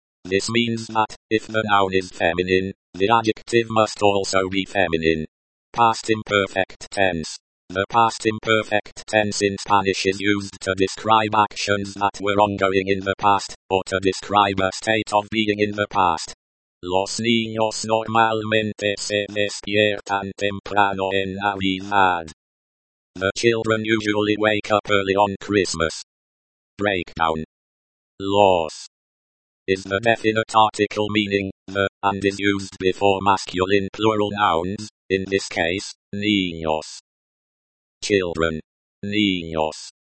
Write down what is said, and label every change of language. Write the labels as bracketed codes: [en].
[en] This means that, if the noun is feminine, the adjective must also be feminine. Past imperfect tense. The past imperfect tense in Spanish is used to describe actions that were ongoing in the past, or to describe a state of being in the past. [es] Los niños normalmente se despiertan temprano en Navidad. [en] The children usually wake up early on Christmas. Breakdown. Los. Is the definite article meaning, the, and is used before masculine plural nouns, in this case, niños. Children. Niños.